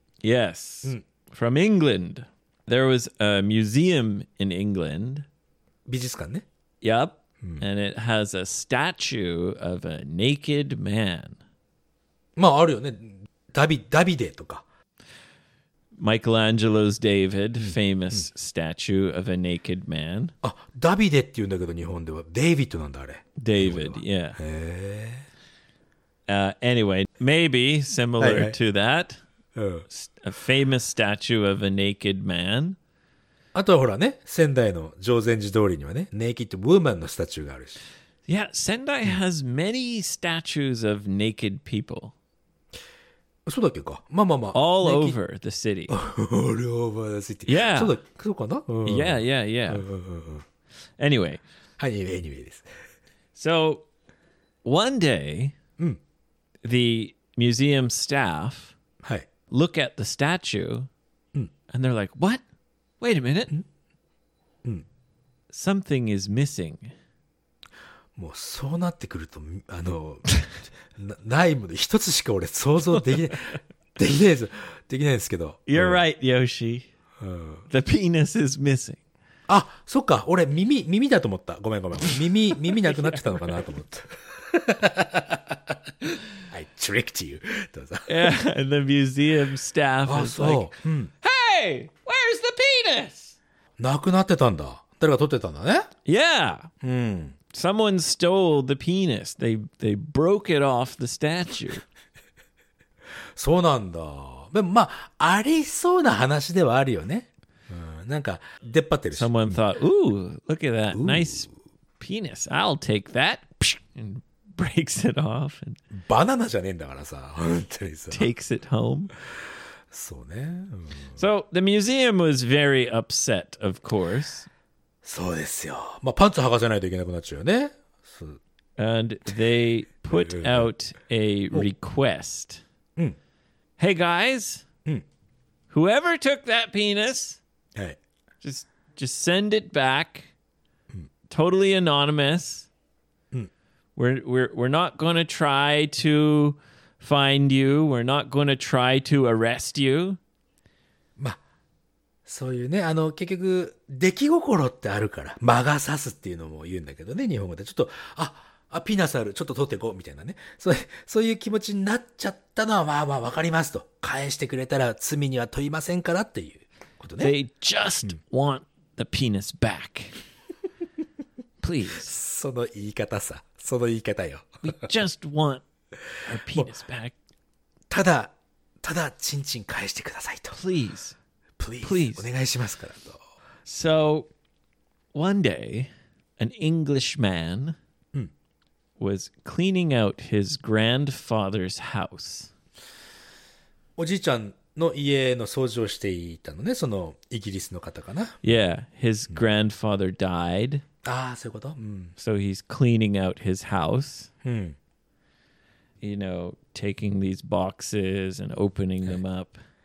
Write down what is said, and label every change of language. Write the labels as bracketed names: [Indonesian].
[English] Yes.、うん、from England. There was a museum in England. [Japanese] 美術館ね。 [English] Yep.、うん、and it has a statue of a naked man. [Japanese] まあ、あるよね。ダビデとか。 [English] Michelangelo's David, famous statue of a naked man. [Japanese] あ、ダビデって言うんだけど日本では。デイビッドなんだあれ。 [English] David, yeah. へぇ。 Anyway, maybe similar はい、はい、to that,、a famous statue of a naked man. [Japanese] あとはほらね、仙台の定禅寺通りにはね、 [English] naked woman [Japanese] のスタチューがあるし。 [English] Yeah, Sendai has many statues of naked people. [Japanese] そうだっけか。まあまあまあ。 [English] All over the city. All over the city. Yeah. [Japanese] そうだ、そうかな。うん、 [English] yeah, yeah, yeah. Anyway. [Japanese] はい、 [English] anyway [Japanese] です。 [English] So, one day,、うん、 the museum staff、はい、 look at the statue,、うん、 and they're like, what? Wait a minute.、うん、 Something is missing. [Japanese] もうそうなってくるとあのないもの一つしか俺想像できないできないですできないですけど。 [English] You're right, Yoshi.、うん、 The penis is missing. [Japanese] あ、そっか。俺耳だと思った。ごめんごめん。耳なくなってたのかなと思った。 [English] I tricked you. [Japanese] どうぞ。 [English] Yeah, and the museum staff is like, Hey, where's the penis? [Japanese] なくなってたんだ。誰が取ってたんだね。 [English] Yeah. うん。 Someone stole the penis. They broke it off the statue. [Japanese] そうなんだ。でもまあありそうな話ではあるよね。うん、なんか出っ張ってるし。 [English] Someone thought, "Ooh, look at that nice penis. I'll take that." And breaks it off. And [Japanese] バナナじゃねえんだからさ、本当にさ。 [English] Takes it home. [Japanese] そうね。うん、 [English] so the museum was very upset, of course. [Japanese] そうですよ。まあ、パンツ剥がせないといけなくなっちゃうよね。そう。 [English] And they put out a request. うん。 Hey guys! うん。 Whoever took that penis, はい。 Just send it back. うん。Totally anonymous. うん。 We're not gonna try to find you. We're not gonna try to arrest you. [Japanese] そういうね、あの、結局、出来心ってあるから、魔が差すっていうのも言うんだけどね、日本語で。ちょっと、あ、ピナスある、ちょっと取っていこう、みたいなね。そういう気持ちになっちゃったのは、まあまあわかりますと。返してくれたら罪には問いませんからっていうことね。 [English] They just want the penis back. Please. [Japanese] その言い方さ。その言い方よ。 [English] We just want our penis back. [Japanese] ただ、チンチン返してくださいと。 [English] Please. Please. [Japanese] お願いしますからと。 [English] So, one day, an English man、うん、 was cleaning out his grandfather's house. [Japanese] おじいちゃんの家の掃除をしていたのね、そのイギリスの方かな。 [English] Yeah, his grandfather died、 [Japanese] うAh, そういうこと? [English] So he's cleaning out his house. You know, taking these boxes and opening them up.